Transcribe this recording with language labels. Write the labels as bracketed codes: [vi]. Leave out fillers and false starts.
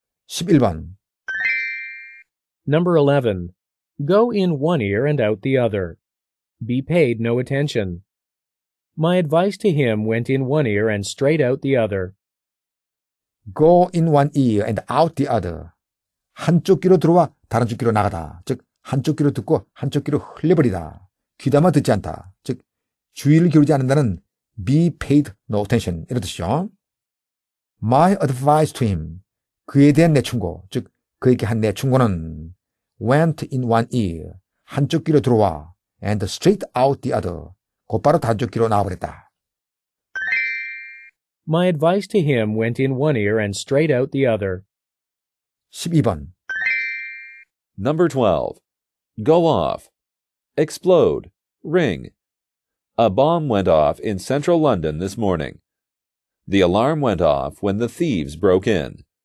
[ko] 11번 [en] Number 11. Go in one ear and out the other. Be paid no attention. My advice to him went in one ear and straight out the other. Go in one ear and out the other. [ko] 한쪽 귀로 들어와 다른쪽 귀로 나가다. 즉, 한쪽 귀로 듣고 한쪽 귀로 흘려버리다. 귀담아 듣지 않다. 즉, 주의를 기울이지 않는다는 [en] be paid no attention. [ko] 이런 뜻이죠. [en] My advice to him. [ko] 그에 대한 내 충고. 즉, 그에게 한 내 충고는 [en] went in one ear. [ko] 한쪽 귀로 들어와. [en] And straight out the other. [ko] 곧바로 다른쪽 귀로 나와버렸다. [en] My advice to him went in one ear and straight out the other. [ko] 12번 [en] Number 12. Go off. Explode. Ring. A bomb went off in central London this morning. The alarm went off when the thieves broke in.